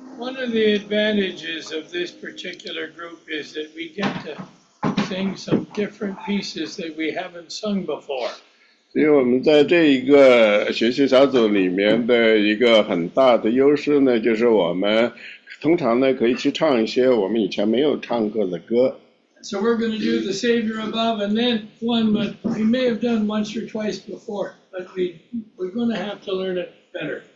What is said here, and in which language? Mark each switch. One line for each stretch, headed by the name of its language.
English: One of the advantages of this particular group is that we get to sing some different pieces that we haven't sung before.
Chinese: 所以我们在这一个学习小组里面的一个很大的优势呢, 就是我们通常呢可以去唱一些我们以前没有唱过的歌。
English: So we're going to do the Savior Above and then one, but we may have done once or twice before, but we're going to have to learn it better.